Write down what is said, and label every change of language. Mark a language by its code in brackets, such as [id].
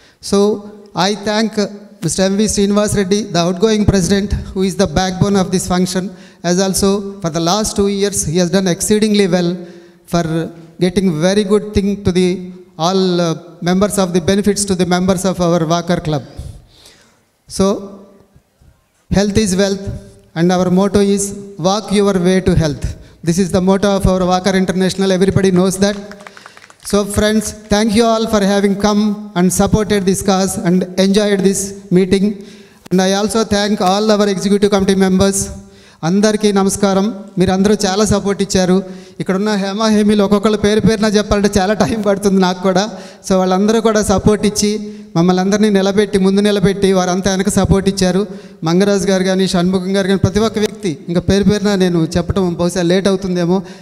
[en] So I thank mister MV Srinivas Reddy, the out going president, who is the back bone of this function. As also for the last 2 years he Hess done exceedingly well for getting very good thing to the all members of the benefits to the members of our walker club. So, health is wealth and our motto is walk your way to health. This is the motto of our Walker International, everybody knows that. So friends, thank you all for having come and supported this cause and enjoyed this meeting. And I also thank all our executive committee members. [te] అందరికి నమస్కారం. మీరందరూ చాలా support ఇచ్చారు. ఇక్కడున్న హేమాహేమీలు ఒక్కొక్కరు పేరు పేరున చెప్పాలంటే చాలా టైం పడుతుంది నాకు కూడా. సో వాళ్ళందరూ కూడా సపోర్ట్ ఇచ్చి మమ్మల్ని అందరినీ నిలబెట్టి ముందు నిలబెట్టి వారంతా వెనక సపోర్ట్ ఇచ్చారు. మంగరాజు గారు కానీ, షణ్ముఖం గారు కానీ, ప్రతి ఒక్క వ్యక్తి, ఇంకా పేరు పేరున నేను చెప్పడం బహుశా లేట్ అవుతుందేమో.